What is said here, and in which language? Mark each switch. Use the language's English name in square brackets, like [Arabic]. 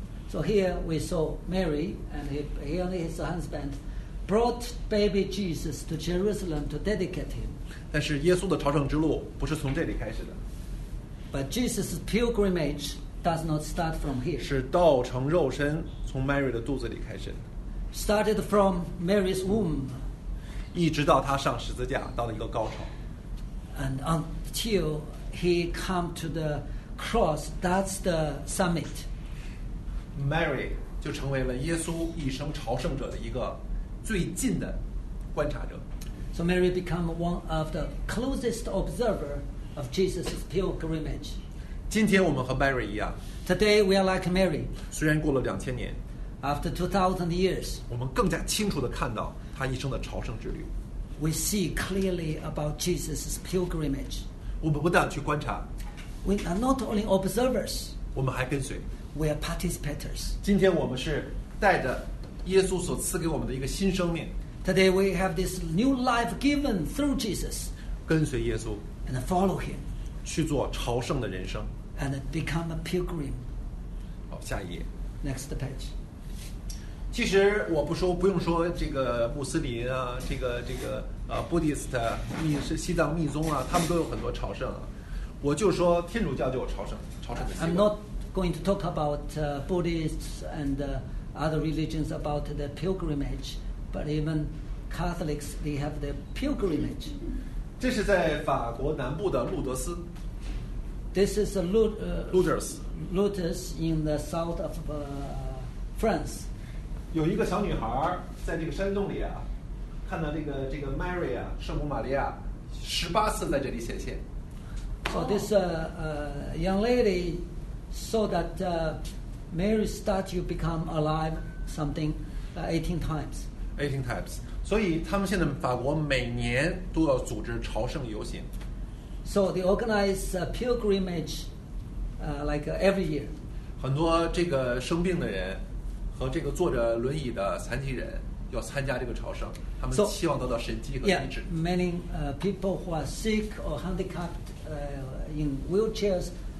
[English] So here we saw Mary and he and his husband brought baby Jesus to Jerusalem to dedicate him. [Chinese] 但是耶稣的朝圣之路不是从这里开始的。 [English] But Jesus' pilgrimage does not start from here. [Chinese] 是道成肉身从 Mary 的肚子里开始的。 [English] Started from Mary's womb. [Chinese] 一直到他上十字架到了一个高潮。 [English] And until he came to the cross, that's the summit. [Chinese] Mary 就成为了耶稣一生朝圣者的一个最近的观察者。 [English] So Mary became one of the closest observer of Jesus' pilgrimage. [Chinese] 今天我们和 Mary 一样。 [English] Today we are like Mary. [Chinese] 虽然过了两千年。 [English] After 2,000 years. [Chinese] 我们更加清楚地看到他一生的朝圣之旅。 [English] We see clearly about Jesus' pilgrimage. [Chinese] 我们不但去观察。 [English] We are not only observers. [Chinese] 我们还跟随。 [English] We are participators. [Chinese] 今天我们是带着耶稣所赐给我们的一个新生命。 [English] Today we have this new life given through Jesus. [Chinese] 跟随耶稣。 [English] And follow him. [Chinese] 去做朝圣的人生。 [English] And become a pilgrim. [Chinese] 好，下一页。 [English] Next page. [Chinese] 其实我不说，不用说这个穆斯林啊，这个Buddhist 西藏密宗啊，他们都有很多朝圣啊。我就说天主教就有朝圣的习惯。 [English] I'm not going to talk about Buddhists and other religions about the pilgrimage, but even Catholics they have the pilgrimage. [Chinese] 这是在法国南部的路德斯。 [English] This is a Lourdes. Lourdes in the south of France. [Chinese] 有一个小女孩在这个山洞里啊，看到这个 Mary 啊，圣母玛利亚，十八次在这里显现。 [English] So this young lady. So that Mary's statue become alive something 18 times. 18 times. [Chinese] 所以他们现在法国每年都要组织朝圣游行。 [English] So they organize a pilgrimage like every year. [Chinese] 很多这个生病的人和这个坐着轮椅的残疾人要参加这个朝圣，他们希望得到神迹和医治。 [English] So, yeah, many people who are sick or handicapped in wheelchairs.